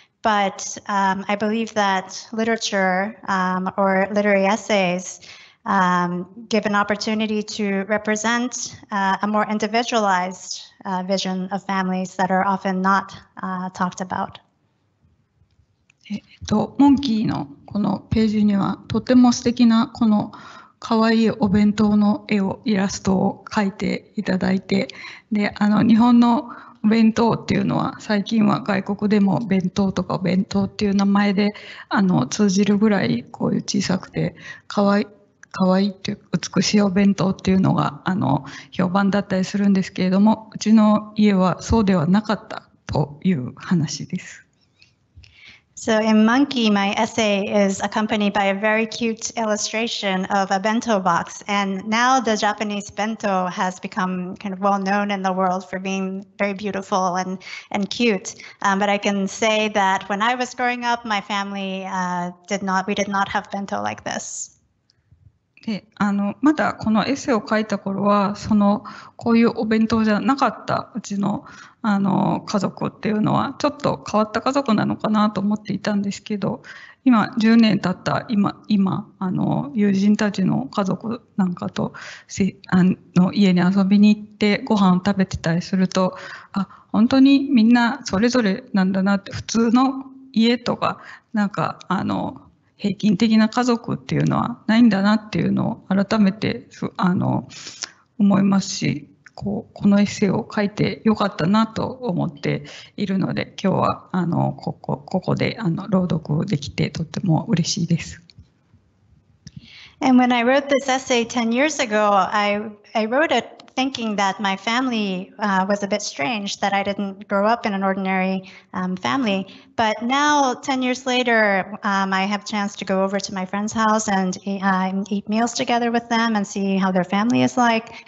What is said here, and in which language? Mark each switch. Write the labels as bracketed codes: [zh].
[en] But I believe that literature or literary essays give an opportunity to represent a more individualized vision of families that are often not talked about. [ja] モンキーのこのページにはとても素敵なこの可愛いお弁当の絵をイラストを描いていただいて、で、あの日本のお弁当っていうのは最近は外国でも弁当とかお弁当っていう名前であの通じるぐらいこういう小さくて可愛い可愛いという美しいお弁当っていうのがあの評判だったりするんですけれども、うちの家はそうではなかったという話です。 [en] So in Monkey, my essay is accompanied by a very cute illustration of a bento box. And now the Japanese bento has become kind of well known in the world for being very beautiful and cute. But I can say that when I was growing up, my family did not have bento like this. [ja] であのまだこのエッセイを書いた頃はそのこういうお弁当じゃなかったうち の, あの家族っていうのはちょっと変わった家族なのかなと思っていたんですけど、今10年経った今あの友人たちの家族なんかとあの家に遊びに行ってご飯を食べてたりすると、あ本当にみんなそれぞれなんだなって、普通の家とかなんかあの平均的な家族っていうのはないんだなっていうのを改めてあの思いますし、こうこのエッセイを書いてよかったなと思っているので、今日はあのここであの朗読できてとっても嬉しいです。 [en] And when I wrote this essay 10 years ago, I wrote it thinking that my family was a bit strange, that I didn't grow up in an ordinary family. But now, 10 years later, I have a chance to go over to my friend's house and eat meals together with them and see how their family is like.